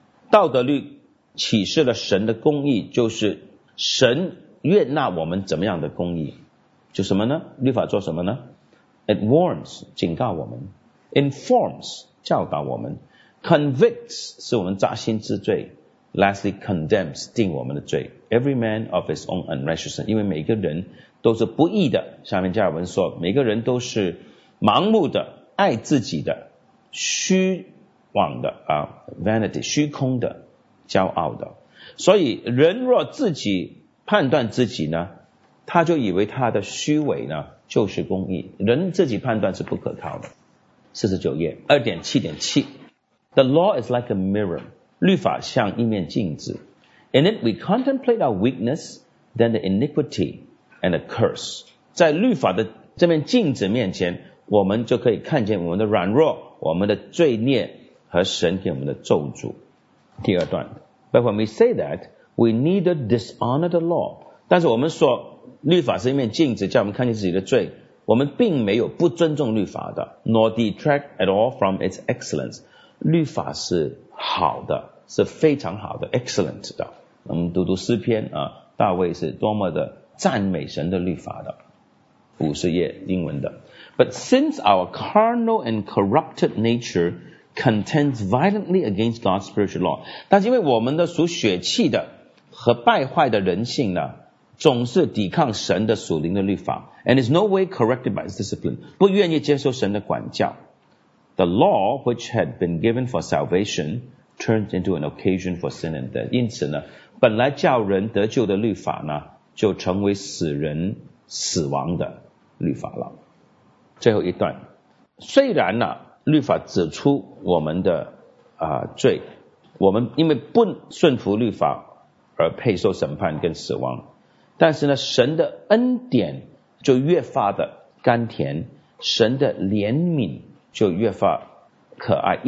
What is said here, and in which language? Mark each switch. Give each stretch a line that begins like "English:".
Chinese: 道德律启示了神的公义，就是神悦纳我们怎么样的公义，就什么呢？律法做什么呢 ？
English: It warns
Chinese: 警告我们 ，informs 教导我们 ，convicts 是我们扎心之罪 ，
English: lastly condemns
Chinese: 定我们的罪。
English: Every man of his own unrighteousness，
Chinese: 因为每个人都是不义的。下面加尔文说，每个人都是盲目的、爱自己的、虚妄的啊 ，vanity 虚空的，骄傲的。所以人若自己判断自己呢，他就以为他的虚伪呢就是公义。人自己判断是不可靠的。
English: 49页 2.7.7 The law is like a mirror.
Chinese: 律法像一面镜子。
English: In it we contemplate our weakness, then the iniquity and the curse.
Chinese: 在律法的这面镜子面前，我们就可以看见我们的软弱，我们的罪孽和神给我们的咒诅。第二段。
English: But when we say that, we neither dishonor the law.
Chinese: 但是我们说律法是一面镜子，叫我们看见自己的罪，我们并没有不尊重律法的，
English: nor detract at all from its excellence.
Chinese: 律法是好的，是非常好的， excellent 的。我们读读诗篇啊，大卫是多么的赞美神的律法的。 50页英文的。
English: But since our carnal and corrupted nature contends violently against God's spiritual law.
Chinese: 但是因为我们的属血气的和败坏的人性呢，总是抵抗神的属灵的律法。
English: And is no way corrected by its discipline.
Chinese: 不愿意接受神的管教。
English: The law which had been given for salvation turns into an occasion for sin and death.
Chinese: 因此呢，本来叫人得救的律法呢，就成为使人死亡的律法了。最后一段，虽然呢，律法指出我们的罪，我们因为不顺服律法而配受审判跟死亡，但是呢，神的恩典就越发的甘甜，神的怜悯就越发可爱。